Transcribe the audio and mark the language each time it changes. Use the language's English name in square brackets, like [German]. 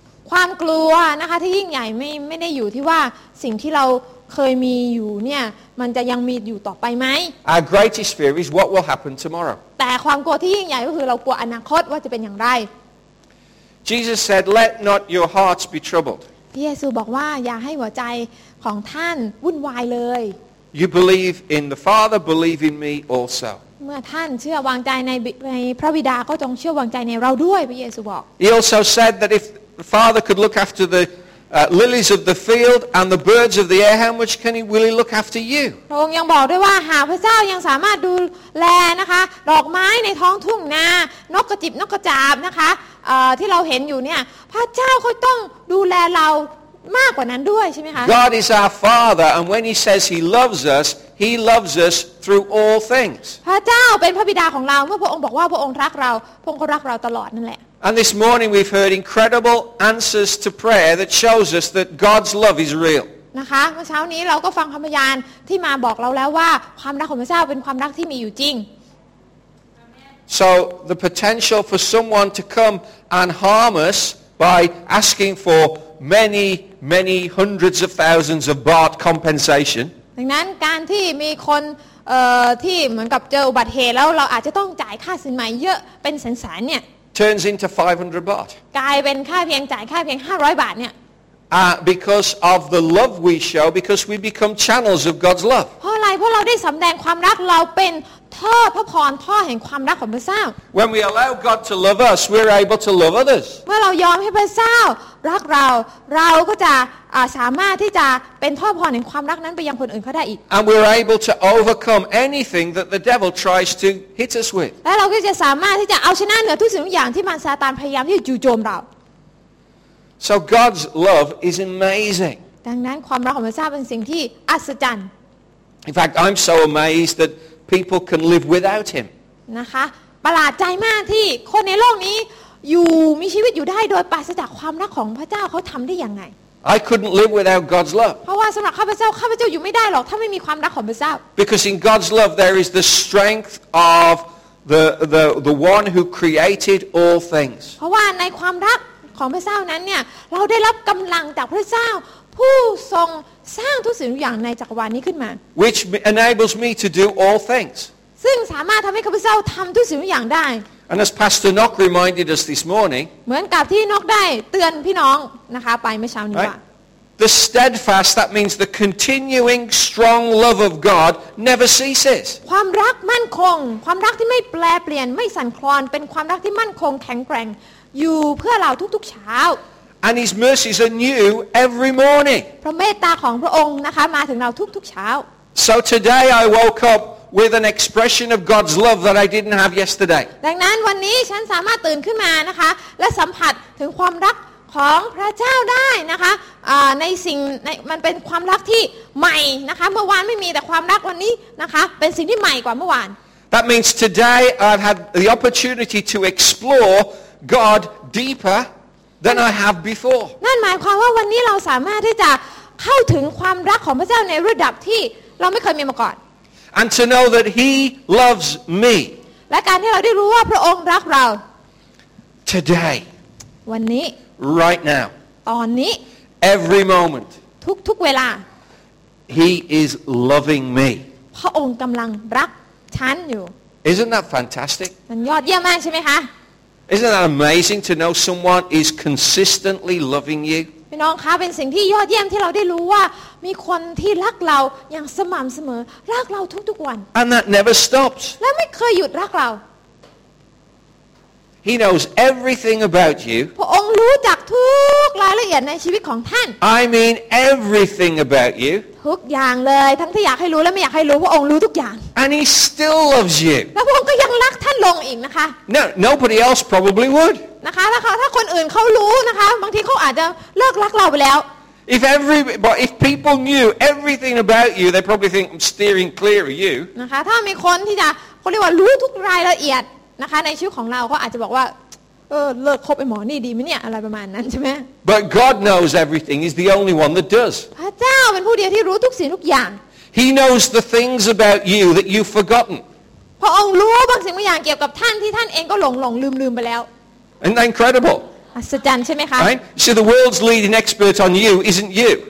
[Thai] ความกลัวนะคะที่ยิ่งใหญ่ไม่ได้อยู่ที่ว่าสิ่งที่เราเคยมีอยู่เนี่ยมันจะยังมีอยู่ต่อไปไหม [English] Our greatest fear is what will happen tomorrow [Thai] แต่ความกลัวที่ยิ่งใหญ่ก็คือเรากลัวอนาคตว่าจะเป็นอย่างไร [English] Jesus said let not your hearts be troubled [Thai] พระเยซูบอกว่าอย่าให้หัวใจของท่านวุ่นวายเลย [English] You believe in the Father believe in me also [Thai] เมื่อท่านเชื่อวางใจในพระบิดาก็จงเชื่อวางใจในเราด้วยพระเยซูบอก [English] He also said that if the Father could look after the lilies of the field and the birds of the air how much can he really look after you [Thai] พระองค์ยังบอกด้วยว่าหากพระเจ้ายังสามารถดูแลนะคะดอกไม้ในท้องทุ่งนานกกระจิบนกกระจาบนะคะที่เราเห็นอยู่เนี่ยพระเจ้าก็ต้องดูแลเรามากกว่านั้นด้วยใช่มั้ยคะ [English] God is our father and when he says he loves us he loves us through all things [Thai] พระเจ้าเป็นพระบิดาของเราเมื่อพระองค์บอกว่าพระองค์รักเราพระองค์ก็รักเราตลอดนั่นแหละ [English] And this morning we've heard incredible answers to prayer that shows us that God's love is real [Thai] นะคะเมื่อเช้านี้เราก็ฟังคำพยานที่มาบอกเราแล้วว่าความรักของพระเจ้าเป็นความรักที่มีอยู่จริง [English] So the potential for someone to come and harm us by asking for many hundreds of thousands of baht compensation [Thai] ดังนั้นการที่มีคนที่เหมือนกับเจออุบัติเหตุแล้วเราอาจจะต้องจ่ายค่าสินไหมเยอะเป็นแสนๆเนี่ย [English] turns into 500 baht [Thai] กลายเป็นค่าเพียงจ่ายค่าเพียง500บาทเนี่ย [English] because of the love we show because we become channels of God's love [Thai] เพราะอะไรเพราะเราได้สําแดงความรักเราเป็นท่อพระพรท่อแห่งความรักของพระเจ้า [English] When we allow God to love us we're able to love others [Thai] เมื่อเรายอมให้พระเจ้ารักเราเราก็จะสามารถที่จะเป็นท่อพรแห่งความรักนั้นไปยังคนอื่นเขาได้อีก [English] And we're able to overcome anything that the devil tries to hit us with [Thai] และเราก็จะสามารถที่จะเอาชนะเหนือทุกสิ่งทุกอย่างที่มารซาตานพยายามที่จะจู่โจมเรา [English] So God's love is amazing [Thai] ดังนั้นความรักของพระเจ้าเป็นสิ่งที่อัศจรรย์ [English] In fact I'm so amazed thatPeople can live without him. [Thai] นะคะ ประหลาดใจมากที่คนในโลกนี้อยู่มีชีวิตอยู่ได้โดยปราศจากความรักของพระเจ้าเขาทำได้ยังไง [English] I couldn't live without God's love. [Thai] เพราะว่าสำหรับข้าพเจ้าข้าพเจ้าอยู่ไม่ได้หรอกถ้าไม่มีความรักของพระเจ้า [English] Because in God's love there is the strength of the one who created all things. [Thai] เพราะว่าในความรักของพระเจ้านั้นเนี่ยเราได้รับกำลังจากพระเจ้าผู้ทรงสร้างทุกสิ่งทุกอย่างในจักรวาลนี้ขึ้นมา [English] Which enables me to do all things [Thai] ซึ่งสามารถทำให้ข้าพเจ้าทำทุกสิ่งทุกอย่างได้ [English] And as Pastor Nock reminded us this morning [Thai] เหมือนกับที่นกได้เตือนพี่น้องนะคะไปเมื่อเช้านี้ว่า [English] The steadfast that means the continuing strong love of God never ceases [Thai] ความรักมั่นคงความรักที่ไม่แปรเปลี่ยนไม่สั่นคลอนเป็นความรักที่มั่นคงแข็งแกร่งอยู่เพื่อเราทุกๆเช้า [English] And His mercies are new every morning. [Thai] พระเมตตาของพระองค์นะคะมาถึงเราทุกๆเช้า [English] So today I woke up with an expression of God's love that I didn't have yesterday. [Thai] ดังนั้นวันนี้ฉันสามารถตื่นขึ้นมานะคะและสัมผัสถึงความรักของพระเจ้าได้นะคะในสิ่งในมันเป็นความรักที่ใหม่นะคะเมื่อวานไม่มีแต่ความรักวันนี้นะคะเป็นสิ่งที่ใหม่กว่าเมื่อวาน [English] That means today I've had the opportunity to explore God deeper. Than I have before. [Thai] นั่นหมายความว่าวันนี้เราสามารถที่จะเข้าถึงความรักของพระเจ้าในระดับที่เราไม่เคยมีมาก่อน [English] And to know that He loves me. [Thai] และการที่เราได้รู้ว่าพระองค์รักเรา [English] Today. [Thai] วันนี้ [English] Right now. [Thai] ตอนนี้ [English] Every moment. [Thai] ทุกเวลา [English] He is loving me. [Thai] พระองค์กำลังรักฉันอยู่ [English] Isn't that fantastic? [Thai] มันยอดเยี่ยมมากใช่ไหมคะ [English] Isn't that amazing to know someone is consistently loving you? [Thai] พี่น้องคะเป็นสิ่งที่ยอดเยี่ยมที่เราได้รู้ว่ามีคนที่รักเราอย่างสม่ำเสมอรักเราทุกๆวัน [English] And that never stops. [Thai] และไม่เคยหยุดรักเรา [English] He knows everything about you. [Thai] พระองค์รู้จักทุกรายละเอียดในชีวิตของท่าน [English] I mean everything about you. [Thai] ทุกอย่างเลยทั้งที่อยากให้รู้และไม่อยากให้รู้พระองค์รู้ทุกอย่าง [English] And he still loves you. [Thai] และพระองค์ก็ยังรักท่านลงอีกนะคะ [English] No, nobody else probably would. [Thai] นะคะถ้าคนอื่นเขารู้นะคะบางทีเขาอาจจะเลิกรักเราไปแล้ว [English] If everybody if people knew everything about you they probably think I'm steering clear of you [Thai] นะคะถ้ามีคนที่จะเขาเรียกว่ารู้ทุกรายละเอียดนะคะในชีวิตของเราก็อาจจะบอกว่าเลิกคบไอ้หมอนี่ดีมั้ยเนี่ยอะไรประมาณนั้นใช่มั้ย [English] But God knows everything he's the only one that does [Thai] พระเจ้าเป็นผู้เดียวที่รู้ทุกสิ่งทุกอย่าง [English] He knows the things about you that you've forgotten [Thai] พระองค์รู้บางสิ่งบางอย่างเกี่ยวกับท่านที่ท่านเองก็หลงลืมไปแล้ว [English] And that incredible [Thai] อัศจรรย์ใช่ไหมคะ [English] Right so the world's leading expert on you isn't you